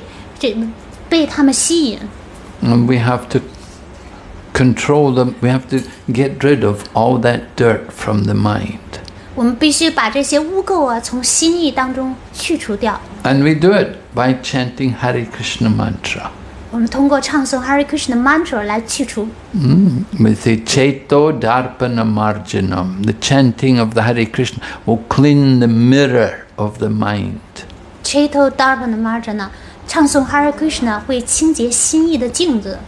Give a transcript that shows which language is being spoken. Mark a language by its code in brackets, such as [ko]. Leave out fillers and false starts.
[zh] 因为这些前世的活动，就让我们的心意呢被他们吸引。 [en] And we have to control them, we have to get rid of all that dirt from the mind. [zh] 我们必须把这些污垢啊从心意当中去除掉。 [en] And we do it by chanting Hare Krishna mantra. [zh] 我们通过唱诵 Hare Krishna mantra 来去除。 [sa] We say Cheto Darpana Marjanam. [en] The chanting of the Hare Krishna will clean the mirror of the mind. [sa] Cheto Darpana Marjanam. [zh] 唱诵 Hare Krishna 会清洁心意的镜子。